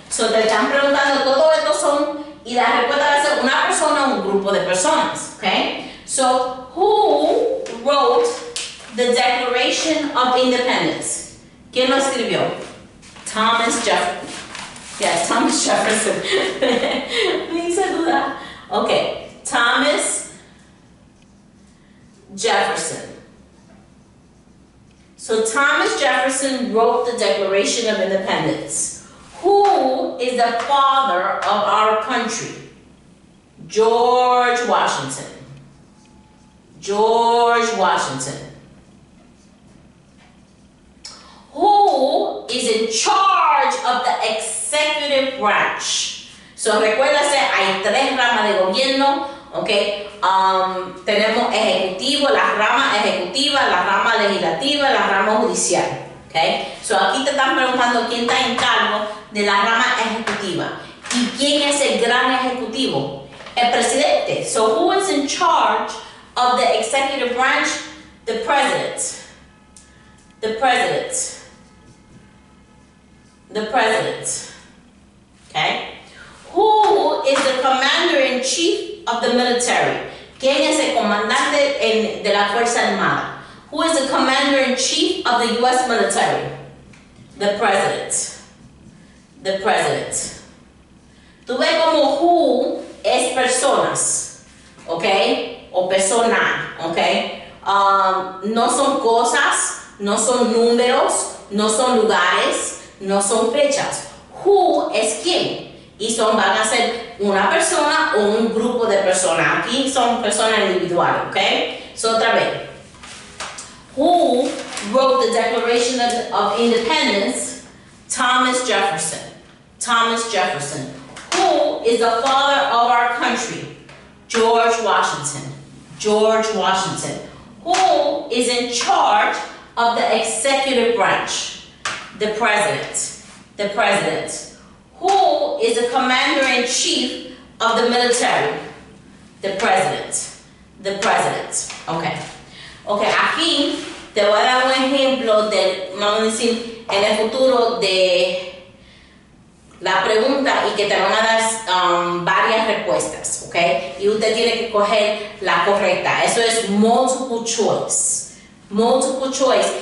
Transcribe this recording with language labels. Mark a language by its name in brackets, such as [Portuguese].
[Spanish] So te están preguntando todo esto son, y la respuesta va a ser una persona o un grupo de personas. [English] Okay, so who wrote the Declaration of Independence? [Spanish] ¿Quién lo escribió? Thomas Jefferson. Yes, Thomas Jefferson. Me hice duda. [English] Okay, Thomas Jefferson. So Thomas Jefferson wrote the Declaration of Independence. Who is the father of our country? George Washington. George Washington. Who is in charge of the executive branch? [Spanish] So, recuérdase, hay tres ramas de gobierno, ok? Tenemos ejecutivo, la rama ejecutiva, la rama legislativa, la rama judicial, ok? So, aquí te están preguntando quién está en cargo de la rama ejecutiva. ¿Y quién es el gran ejecutivo? El presidente. [English] So, who is in charge of the executive branch? The president. The president. The president. Okay? Who is the commander in chief of the military? [Spanish] ¿Quién es el comandante de la Fuerza Armada? [English] Who is the commander in chief of the US military? The president. The president. [Spanish] ¿Tú ves como who es personas, ¿ok? O persona, ¿ok? No son cosas, no son números, no son lugares, no son fechas. Who es quién? Y son, van a ser una persona o un grupo de personas. Aquí son personas individuales, ¿ok? So, otra vez. [English] Who wrote the Declaration of Independence? Thomas Jefferson. Thomas Jefferson. Who is the father of our country? George Washington. George Washington. Who is in charge of the executive branch? The president. The president. Who is the commander-in-chief of the military? The president. The president. Okay. [Spanish] Okay, aquí te voy a dar un ejemplo de, vamos a decir, en el futuro de la pregunta y que te van a dar varias respuestas, ¿ok? Y usted tiene que coger la correcta. Eso es multiple choice. Multiple choice.